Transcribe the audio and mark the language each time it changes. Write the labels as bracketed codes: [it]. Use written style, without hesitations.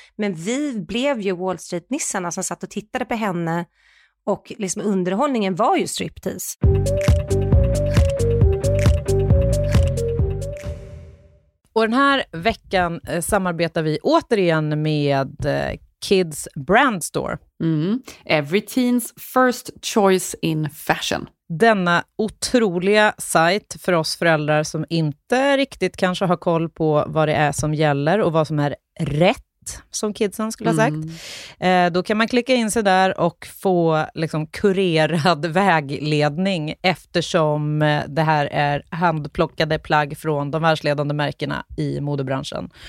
[sv] Men vi blev ju Wall Street-nissarna som satt och tittade på henne. Och liksom underhållningen var ju striptease. Och den här veckan samarbetar vi återigen med Kids Brand Store. [en] Every teen's first choice in fashion. [sv] Denna otroliga sajt för oss föräldrar som inte riktigt kanske har koll på vad det är som gäller och vad som är rätt. som kidsen skulle ha sagt. Då kan man klicka in sig där och få liksom kurerad vägledning, eftersom det här är handplockade plagg från de världsledande märkena i modebranschen.